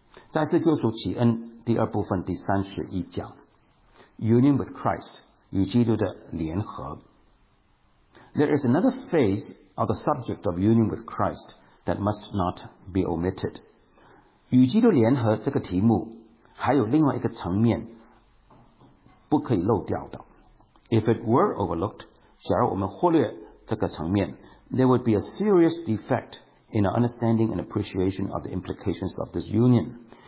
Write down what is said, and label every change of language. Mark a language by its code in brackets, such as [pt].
[zh] 再次救赎启恩第二部分第31讲, [en] Union with Christ, [zh] 与基督的联合. [en] There is another phase of the subject of union with Christ that must not be omitted. [zh] 与基督联合这个题目还有另外一个层面不可以漏掉的. [en] If it were overlooked, [zh] 假如我们忽略这个层面, [en] there would be a serious defect in our understanding and appreciation of the implications of this union.